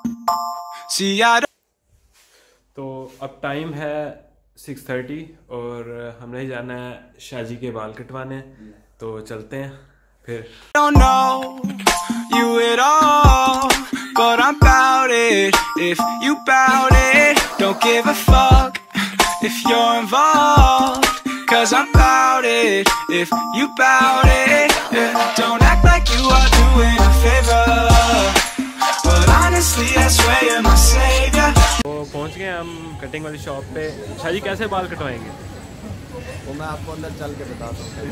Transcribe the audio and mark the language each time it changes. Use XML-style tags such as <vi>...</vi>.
<hi>तो अब टाइम है 6:30 और हमने ही जाना है शाजी के बाल कटवाने, तो चलते हैं फिर।</hi> <en>I don't know you at all, but I'm about it. If you about it, don't give a fuck if you're involved, cause I'm about it. If you about it, yeah. Don't act like you are doing a favor, but honestly I swear you're my savior.</en> <hi>पहुंच गए हम cutting वाली shop पे। शाजी कैसे बाल कटवाएंगे? तो मैं आपको अंदर चल के बता दूंगा।</hi>